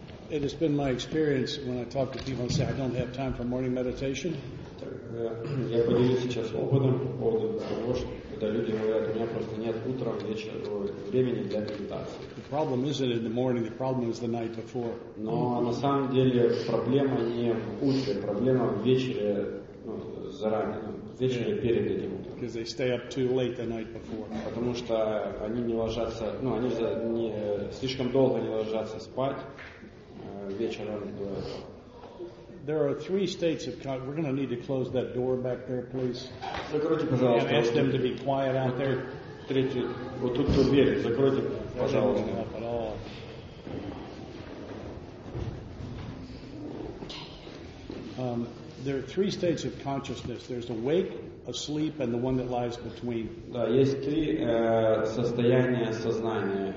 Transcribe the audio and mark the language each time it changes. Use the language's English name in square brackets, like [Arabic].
[English] It has been my experience when I talk to people and say, I don't have time for morning meditation. The problem isn't in the morning, the problem is the night before. [Russian] Но на самом деле проблема не в утре, проблема в вечере, ну, заранее. [English] Because they stay up too late the night before. [Russian] Потому что они не ложатся, ну они не слишком долго не ложатся спать вечером. [English] There are three states of consciousness. We're going to need to close that door back there, please. [Russian] Закройте, пожалуйста. [English] Ask them to be quiet out there. [Russian] Третий, вот тут дверь. Закройте, пожалуйста. [English] Okay. There are three states of consciousness. There's awake, asleep, and the one that lies between. [Russian] Да, есть три состояния сознания.